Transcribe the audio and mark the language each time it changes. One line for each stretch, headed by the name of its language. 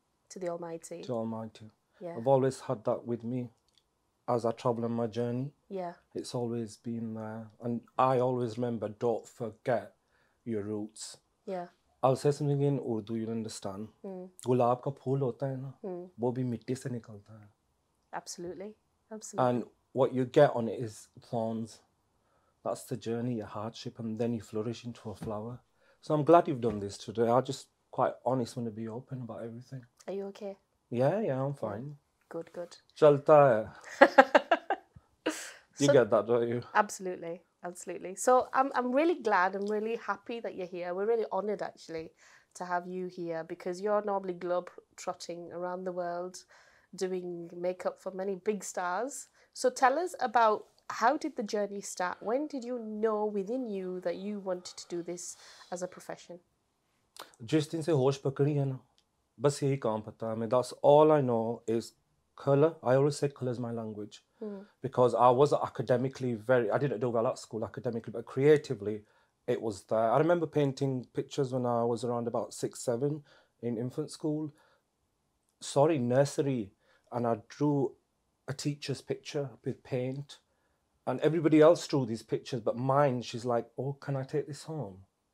English: To the Almighty. To Almighty. Yeah. I've always had that with me. As I travel on my journey, yeah, it's always been there. And I always remember, don't forget your roots. Yeah. I'll say something in Urdu, you'll understand.
Urdu: گلاب کا پھول ہوتا ہے نا، وہ بھی مٹی سے نکلتا ہے۔
English: Absolutely. And what you get on it is thorns. That's the journey, your hardship, and then you flourish into a flower. So I'm glad you've done this today. I just, quite honest, want to be open about everything. Are you okay? Yeah, I'm fine. Good, good.
Urdu: Chalta hai.
English: You get that, don't you? Absolutely, absolutely. So I'm really glad, I'm really happy that you're here. We're really honoured, actually, to have you here, because you're normally globe-trotting around the world doing makeup for many big stars. So tell us about, how did the journey start? When did you know within you that you wanted to do this as a profession?
Urdu: جس دن سے ہوش پکڑی ہے نا۔ بس یہی کام پتا ہے۔
English: That's all I know is... Colour, I always say colour is my language because I was academically very, I didn't do well at school academically, but creatively it was there. I remember painting pictures when I was around about 6, 7 in infant school, nursery, and I drew a teacher's picture with paint, and everybody else drew these pictures, but mine, she's like, oh, can I take this home?